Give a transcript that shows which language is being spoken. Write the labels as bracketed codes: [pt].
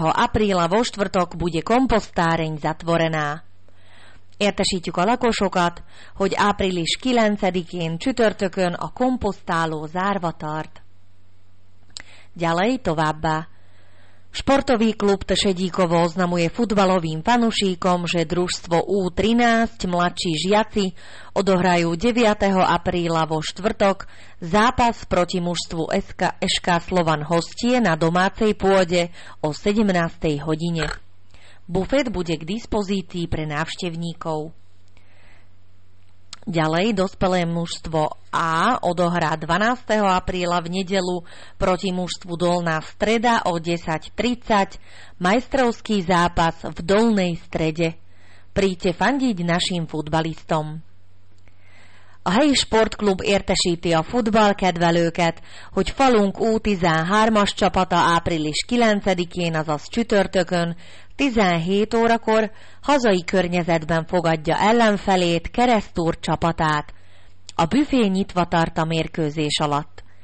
[sk] apríla vo štvrtok bude komposztáreň zatvorená. [hu] Értesítjük a lakosokat, hogy április 9-én csütörtökön a komposztáló zárva tart. [sk] Ďalej [hu] továbbá. [sk] Sportový klub Tšedíkovo oznamuje futbalovým fanušíkom, že družstvo U13 mladší žiaci odohrajú 9. apríla vo štvrtok zápas proti mužstvu SK Slovan Hostie na domácej pôde o 17. hodine. Bufet bude k dispozícii pre návštevníkov. Ďalej dospelé mužstvo A odohrá 12. apríla v nedeľu proti mužstvu Dolná Streda o 10:30 majstrovský zápas v Dolnej Strede. Príďte fandiť našim futbalistom. [hu] A helyi sportklub értesíti a futballkedvelőket, hogy falunk U13-as csapata április 9-én, azaz csütörtökön, 17 órakor hazai környezetben fogadja ellenfelét Keresztúr csapatát, a büfé nyitva tart a mérkőzés alatt.